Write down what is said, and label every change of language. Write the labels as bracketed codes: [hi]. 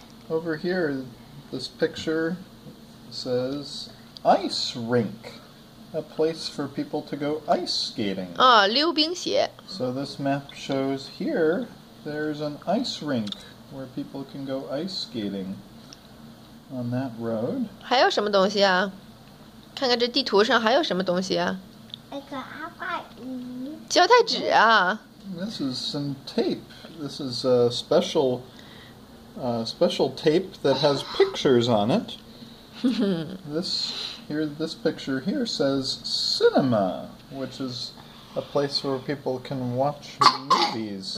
[en] Over here, this picture says ice rink, a place for people to go ice skating. [zh] Oh, 溜冰鞋. [en] So this map shows here there's an ice rink where people can go ice skating on that road. [zh] 还有什么东西啊? 看看这地图上还有什么东西啊? 一个阿爸鱼. 胶带纸啊. [en] This is some tape. This is a special tape that has pictures on it. This picture here says cinema, which is a place where people can watch movies.